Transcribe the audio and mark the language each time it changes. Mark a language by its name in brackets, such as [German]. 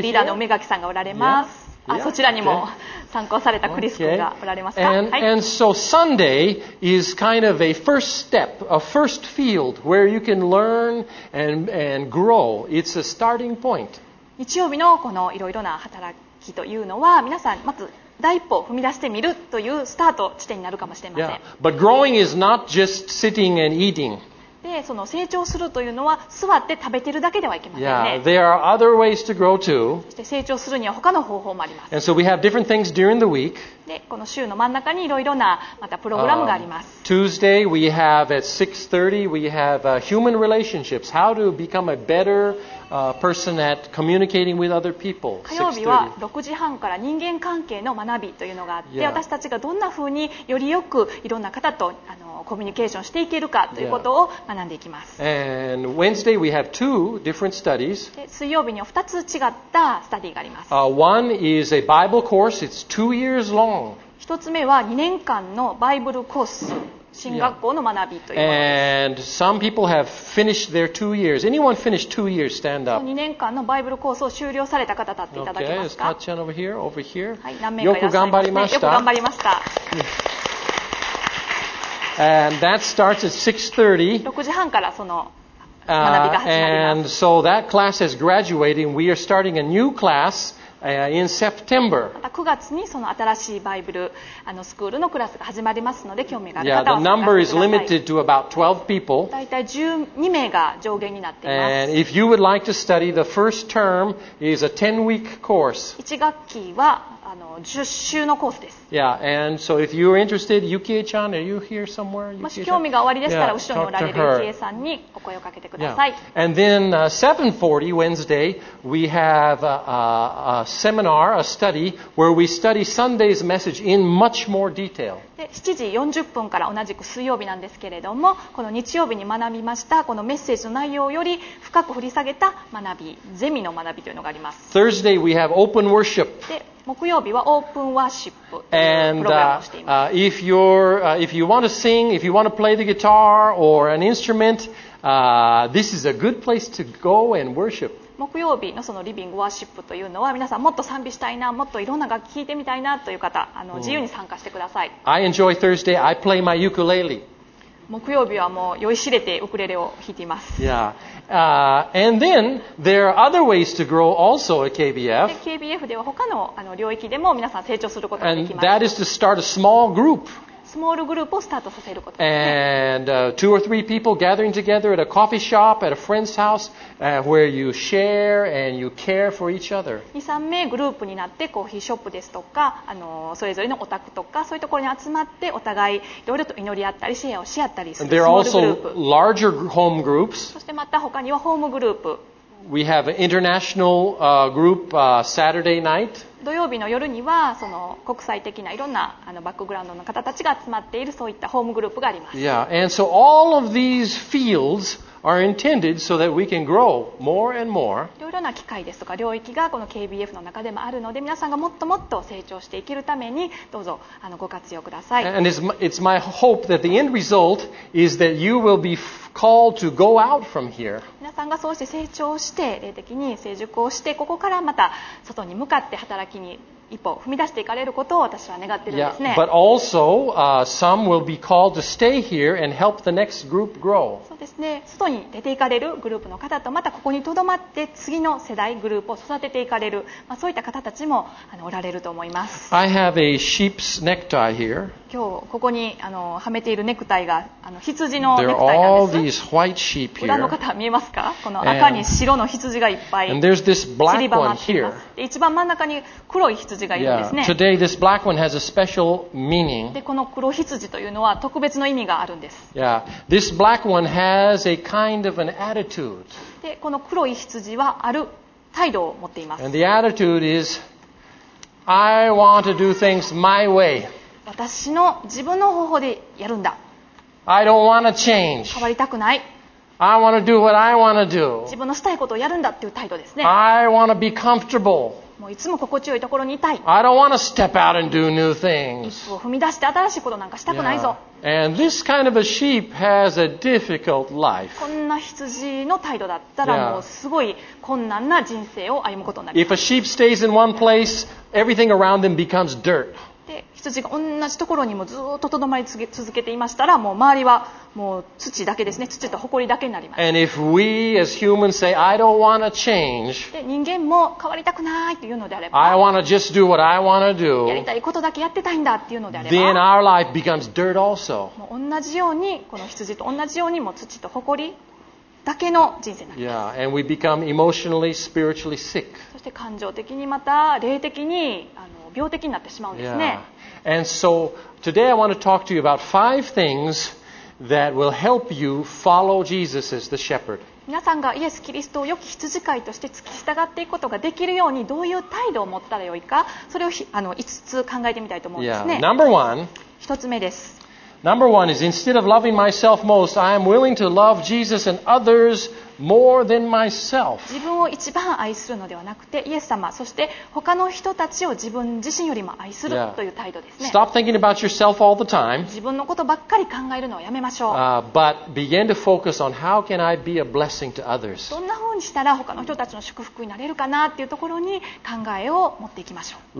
[Japanese] リーダーの梅垣さんがおられます。 Yeah. あ、そちらにも参考されたクリス君がおられますか。 [English] And so Sunday is kind of a first step, a first field where you can learn and grow. It's a starting point. [Japanese] 日曜日のこのいろいろな働きというのは、皆さんまず第一歩踏み出してみるというスタート地点になるかもしれません。 [English] Yeah. But growing is not just sitting and eating. [Japanese] でその成長するというのは座って食べてるだけではいけませんね。 [English] Yeah, there are other ways to grow too. [Japanese] そして成長するには他の方法もあります。 [English] And so we have different things during the week. [Japanese] でこの週の真ん中にいろいろなまたプログラムがあります。 [English] Tuesday we have at 6:30 we have human relationships. How to become a better person at communicating with other people. [Japanese] 火曜日は6時半から人間関係の学びというのがあって、yeah. 私たちがどんな風によりよくいろんな方とコミュニケーションしていけるかということを学んでいきます。 [English] And Wednesday we have two different studies. [Japanese] 水曜日には2つ違ったスタディがあります。 [English] One is a Bible course. It's 2 years long. [Japanese] 一つ目は2年間のバイブルコース、神学校の学びというものです。 [English] And some people have finished their 2 years. Anyone finished 2 years? Stand up. [Japanese] 2年間のバイブルコースを終了された方立っていただけますか。 [English] Okay, Scott-chan over here, over here. [Japanese] はい、何名かいらっしゃいますね。よく頑張りました。 [English] And that starts at 6:30. [Japanese] 6時半からその学びが始まります。 [English] And so that class is graduating. We are starting a new class in September. [Japanese] また9月にその新しいバイブルスクールのクラスが始まりますので、興味がある方は。 [English] Yeah, the number is limited to about 12 people. [Japanese] だいたい12名が上限になっています。 [English] And if you would like to study, the first term is a 10-week course. [Japanese] 1学期は10週のコースです。 [English] Yeah, and so if you're interested, Yukie-chan, are you here somewhere? [Japanese] もし興味がおありでしたら、後ろにおられるユキエさんにお声をかけてください。 [English] Yeah. And then 7:40 Wednesday, we have a seminar, a study where we study Sunday's message in much more detail. [Japanese] で、7時40分から同じく水曜日なんですけれども、この日曜日に学びましたこのメッセージの内容より深く掘り下げた学び、ゼミの学びというのがあります。 [English] Thursday we have open worship. [Japanese] で木曜日はオープンワーシップというプログラムをしています。 [English] And if you want to sing, if you want to play the guitar or an instrument, this is a good place to go and worship. [Japanese] 木曜日のそのリビングワーシップというのは、皆さんもっと賛美したいな、もっといろんな楽器聴いてみたいなという方、自由に参加してください。 [English] I enjoy Thursday. I play my ukulele. [Japanese] 木曜日はもう酔いしれてウクレレを弾いています。 [English] Yeah. And then there are other ways to grow also at KBF. [Japanese] KBF では他の領域でも皆さん成長することができます。 [English] And that is to start a small group. [Japanese] スモールグループをスタートさせることですね。 [English] And two or three people gathering together at a coffee shop at a friend's house, where you share and you care for each other. [Japanese] 2、3名グループになってコーヒーショップですとか、それぞれのお宅とかそういうところに集まってお互いいろいろと祈り合ったりシェアをし合ったりするスモールグループ。 [English] And there are also larger home groups. [Japanese] そしてまた他にはホームグループ。 [English] We have an international group Saturday night. [Japanese] 土曜日の夜にはその国際的ないろんなバックグラウンドの方たちが集まっているそういったホームグループがあります。 [English] Yeah, and so all of these fields are intended so that we can grow more and more. [Japanese] いろいろな機会ですとか領域がこの KBF の中でもあるので、皆さんがもっともっと成長していけるためにどうぞご活用ください。 [English] And it's my hope that the end result is that you will bebe called to go out from here. [Japanese] 皆さんがそうして成長して霊的に成熟をしてここからまた外に向かって働きに一歩踏み出していかれることを私は願っているんですね。 [English] Yeah, but also, some will be called to stay here and help the next group grow. [Japanese] そうですね。外に出ていかれるグループの方とまたここに留まって次の世代グループを育てていかれる、そういった方たちもおられると思います。 [English] I have a sheep's necktie here. [Japanese] 今日ここにはめているネクタイが羊のネクタイなんです。 [English] There are all these white sheep here. [Japanese] 裏の方見えますか？この赤に白の羊がいっぱい散りばまっています。で、一番真ん中に黒い羊羊がいるんですね。 [English] Yeah. Today this black one has a special meaning. [Japanese] で、この黒羊というのは特別の意味があるんです。 [English] Yeah. This black one has a kind of an attitude. [Japanese] で、この黒い羊はある態度を持っています。 [English] And the attitude is, I want to do things my way. [Japanese] 私の自分の方法でやるんだ。 [English] I don't want to change. [Japanese] 変わりたくない。 [English] I want to do what I want to do. [Japanese] 自分のしたいことをやるんだっていう態度ですね。 [English] I want to be comfortable. [Japanese] もういつも心地よいところにいたい。 [English] I don't want to step out and do new things. [Japanese] 一歩踏み出して新しいことなんかしたくないぞ。 [English] Yeah. And this kind of a sheep has a difficult life. [Japanese] こんな羊の態度だったらもうすごい困難な人生を歩むことになります [English] 。If a sheep stays in one place, everything around them becomes dirt. [Japanese] で、羊が同じところにもずっととどまり続けていましたら、もう周りはもう土だけですね。土と埃だけになります。 [English] And if we as humans say, I don't want to change, [Japanese] 人間も変わりたくないというのであれば、 [English] I want to just do what I want to do, [Japanese] やりたいことだけやってたいんだというのであれば、 [English] then our life becomes dirt also. [Japanese] もう同じように、この羊と同じように、もう土と埃だけの人生になります。 [English] Yeah, and we become emotionally, spiritually sick. [Japanese] そして感情的にまた霊的に病的になってしまうんですね。 [English] Yeah. And so today I want to talk to you about five things. That will help you follow Jesus as the shepherd. [Japanese] 皆さんがイエス・キリストを良き羊飼いとして従っていくことができるようにどういう態度を持ったらよいか、それを5つ考えてみたいと思うんですね。 [English] Yeah. Number one. [Japanese] 1つ目です。 [English] Number one is instead of loving myself most, I am willing to love Jesus and others more than myself. [Japanese] 自分を一番愛するのではなくて、イエス様、そして他の人たちを自分自身よりも愛するという態度ですね。 [English] Stop thinking about yourself all the time. [Japanese] 自分のことばっかり考えるのをやめましょう。 [English] But begin to focus on how can I be a blessing to others. [Japanese] どんな風にしたら他の人たちの祝福になれるかなっていうところに考えを持っていきましょう。